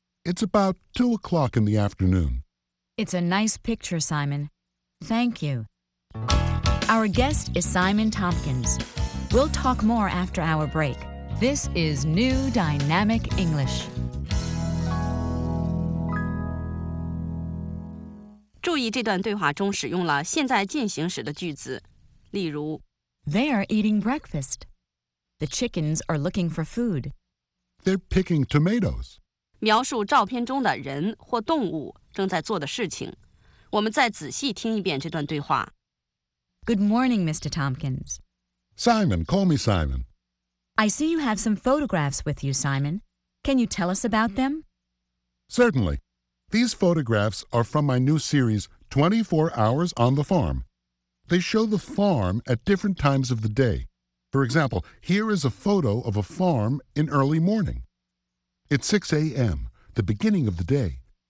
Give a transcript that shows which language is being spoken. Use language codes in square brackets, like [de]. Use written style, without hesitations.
[en] It's about 2 o'clock in the afternoon. It's a nice picture, Simon. Thank you. Our guest is Simon Tompkins. We'll talk more after our break. This is New Dynamic English. [zh] 注意这段对话中使用了现在进行时的句子，例如 [en] They are eating breakfast. The chickens are looking for food. They're picking tomatoes. [zh] 描述照片中的人或动物。正在做的事情，我们再仔细听一遍这段对话。 [en] Good morning, Mr. Tompkins. Simon, call me Simon. I see you have some photographs with you, Simon. Can you tell us about them? Certainly. These photographs are from my new series, 24 Hours on the Farm. They show the farm at different times of the day. For example, here is a photo of a farm in early morning. It's 6 a.m., the beginning of the day.